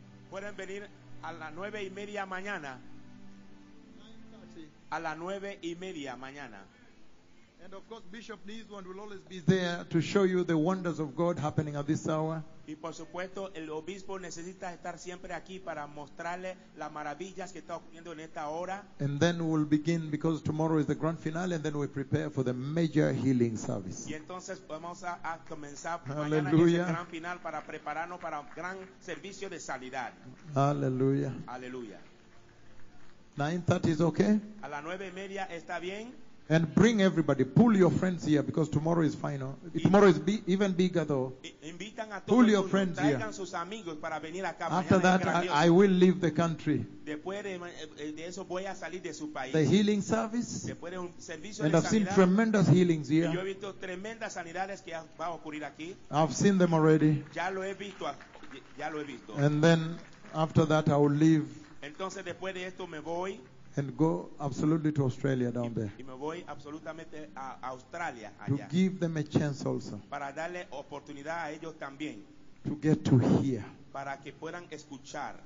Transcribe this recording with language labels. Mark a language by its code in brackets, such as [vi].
[es] Pueden venir a las 9:30 mañana. A las 9:30 mañana. [en] And of course, Bishop Nisland will always be there to show you the wonders of God happening at this hour. [es] Y por supuesto, el obispo necesita estar siempre aquí para mostrarle las maravillas que está ocurriendo en esta hora. [en] And then we'll begin, because tomorrow is the grand finale, and then we prepare for the major healing service. [es] Y entonces vamos a comenzar mañana en el gran final para prepararnos para un gran servicio de sanidad. Aleluya. Aleluya. [en] 9:30 is okay? [es] A las 9:30 está bien. [en] And bring everybody. Pull your friends here, because tomorrow is final. Tomorrow is even bigger, though. [es] Invitan a todos. [en] Pull your friends here. [es] Sus amigos para venir acá. [en] After [es] mañana [en] that, I will leave the country. [es] Después de eso voy a salir de su país. [en] The healing service. [es] Después de un servicio [en] and [es] de [en] I've [es] sanidad, [en] seen tremendous healings here. [es] Yo he visto tremendas sanidades que va a ocurrir aquí. [en] I've seen them already. [es] Ya lo he visto. [en] And then after that, I will leave. [es] Entonces después de esto me voy. [en] And go absolutely to Australia down there. [es] Y me voy absolutamente a Australia, allá. [en] To give them a chance also. [es] Para darle oportunidad a ellos también. [en] To get to hear. [es] Para que puedan escuchar.